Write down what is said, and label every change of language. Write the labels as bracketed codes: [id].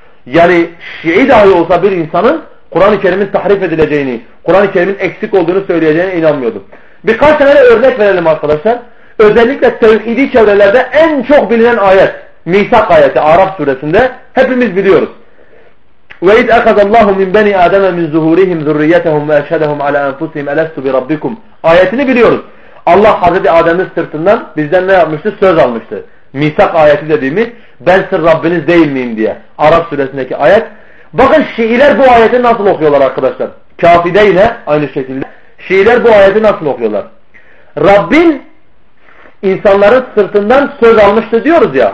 [tr] Yani Şii dahi olsa bir insanın Kur'an-ı Kerim'in tahrif edileceğini, Kur'an-ı Kerim'in eksik olduğunu söyleyeceğine inanmıyordum. Birkaç tane de örnek verelim arkadaşlar. Özellikle tevhidi çevrelerde en çok bilinen ayet, Misak ayeti Araf suresinde hepimiz biliyoruz. [ar] وَإِذْ أَخَذَ اللّٰهُ مِنْ بَنِي آدَمَ مِنْ زُهُورِهِمْ ذُرِّيَّتَهُمْ وَأَشْهَدَهُمْ عَلَى أَنْفُسِهِمْ أَلَسْتُ بِرَبِّكُمْ [tr] ayetini biliyoruz. Allah Hazreti Adem'in sırtından bizden ne yapmıştı? Söz almıştı. Misak ayeti dediğimiz, ben sır Rabbiniz değil miyim diye. Arap suresindeki ayet. Bakın Şiiler bu ayeti nasıl okuyorlar arkadaşlar. Kafide yine aynı şekilde. Şiiler bu ayeti nasıl okuyorlar? Rabbin insanların sırtından söz almıştı diyoruz ya.